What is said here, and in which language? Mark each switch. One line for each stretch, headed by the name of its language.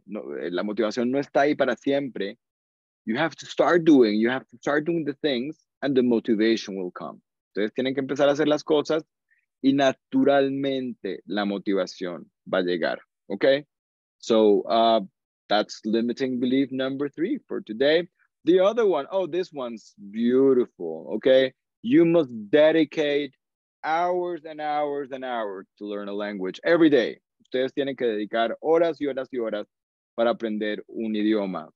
Spanish: No, la motivación no está ahí para siempre.
English: You have to start doing the things and the motivation will come.
Spanish: Ustedes tienen que empezar a hacer las cosas y naturalmente la motivación va a llegar, okay?
English: So that's limiting belief number three for today. The other one, oh, this one's beautiful, okay? You must dedicate hours and hours and hours to learn a language every day.
Spanish: Ustedes tienen que dedicar horas y horas y horas para aprender un idioma.